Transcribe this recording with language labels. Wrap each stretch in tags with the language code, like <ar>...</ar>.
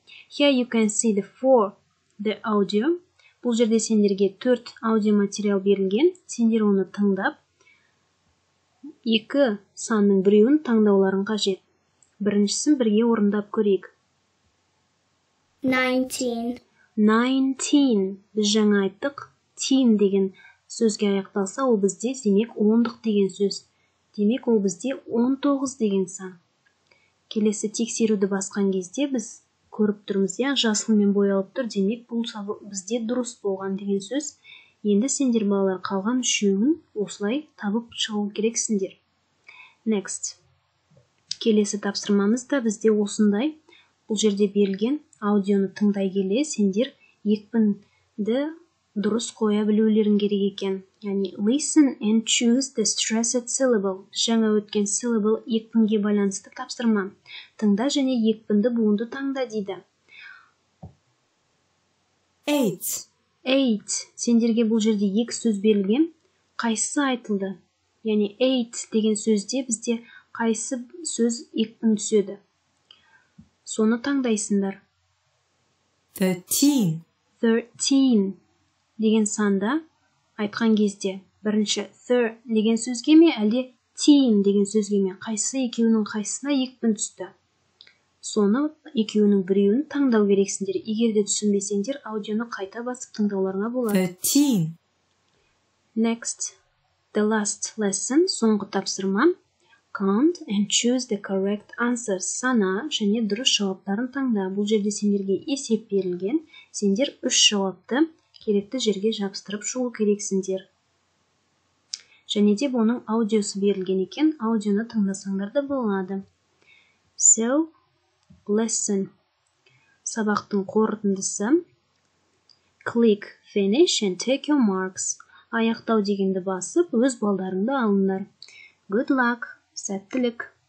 <en>Here you can see the four the audio.</en> <kk>Бұл жерде сендерге 4 аудио материал берілген. Сендер оны тыңдап, 2 санның біреуін таңдауларың қажет. Біріншісін бірге орындап көрейік. 19. 19. Біз жаңа айттық, 10 деген сөзге аяқталса, ол бізде демек ондық деген сөз. Демек ол бізде 19 деген сан. Келесі тексеруді басқан кезде біз көріп тұрмыз, я, жасылмен боялып тұр, демек бұл сабы бізде дұрыс болған деген сөз. Енді сендер балалар қалған үшеуін осылай табып шығу керексіндер.</kk> <en>Next.</en> <kk>Келесі тапсырмамыз да бізде осындай. Бұл жерде берілген аудионы тыңдай келе, сендер екпінді дұрыс қоя білулерің керек екен. Яғни,</kk> <en>listen and choose the stressed syllable.</en> <kk>Жаңа өткен syllable екпінге байланысты тапсырма. Тыңда және екпінді буынды таңда дейді.</kk> <en>Eight. Eight.</en> <kk>Сендерге бұл жерде екі сөз берілген. Қайсы айтылды? Яғни, eight деген сөзде бізде қайсы сөз екпін түседі. Соны таңдайсындар.</kk> <en>Thirteen. Thirteen.</en> <kk>Деген санда айтқан кезде бірінші thir деген сөзге ме, әлде teen деген сөзге ме, қайсы екеуінің қайсына екпін түсті. Соны екеуінің біреуін таңдау керексіндер. Егер де түсінбесеңдер, аудионы қайта басып тыңдауларыңа болады.</kk> <en>Thirteen. Next. The last lesson.</en> <kk>Соңғы тапсырма.</kk> <en>Count and choose the correct answer.</en> <kk>Сана және дұрыс жауаптарын таңда. Бұл жерде сендерге есеп берілген. Сендер үш жауапты керекті жерге жабыстырып шығу керексіндер. Және де оның аудиосы берілген екен. Аудионы тыңдасаңдар да болады.</kk> <en>So, lesson.</en> <kk>Сабақтың қорытындысы.</kk> <en>Click finish and take your marks.</en> <kk>Аяқтау дегенді басып, өз балдарыңды алыңдар.</kk> <en>Good luck!</en> <kk>Сәттілік!</kk>